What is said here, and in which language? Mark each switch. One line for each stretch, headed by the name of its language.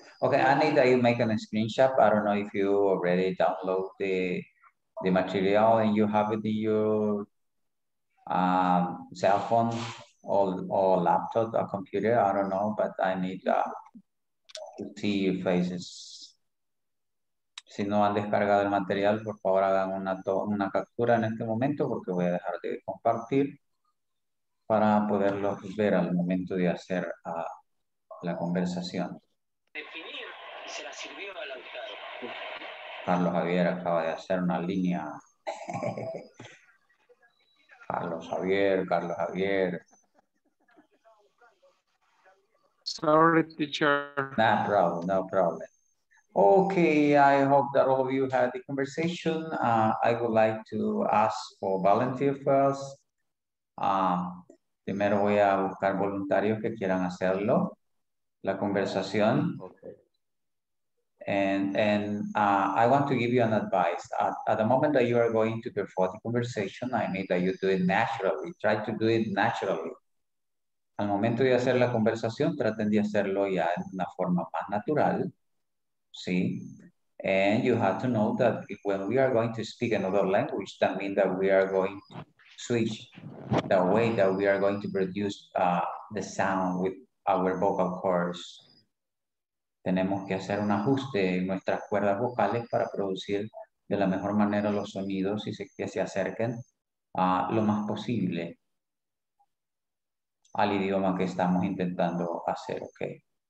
English: Okay, I need that you make a screenshot. I don't know if you already download the material and you have it in your cell phone or laptop or computer. I don't know, but I need to see your faces.
Spanish: Si no han descargado el material, por favor hagan una captura en este momento porque voy a dejar de compartir para poderlos ver al momento de hacer la conversación. Definir se la sirvió a Lautaro. Carlos Javier acaba de hacer una línea. Carlos Javier.
English: Sorry, teacher. No problem. Okay, I hope that all of you had the conversation. I would like to ask for volunteer first.
Spanish: Primero voy a buscar voluntarios que quieran hacerlo, la conversación.
English: And I want to give you an advice. At the moment that you are going to perform the conversation, I need that you do it naturally. Try to do it naturally.
Spanish: Al momento de hacer la conversación, traten de hacerlo ya en una forma más natural.
English: See, and you have to know that when we are going to speak another language, that means that we are going to switch the way that we are going to produce the sound with our vocal cords.
Spanish: Tenemos que hacer un ajuste en nuestras cuerdas vocales para producir de la mejor manera los sonidos y que se acerquen lo más posible al idioma que estamos intentando hacer, okay?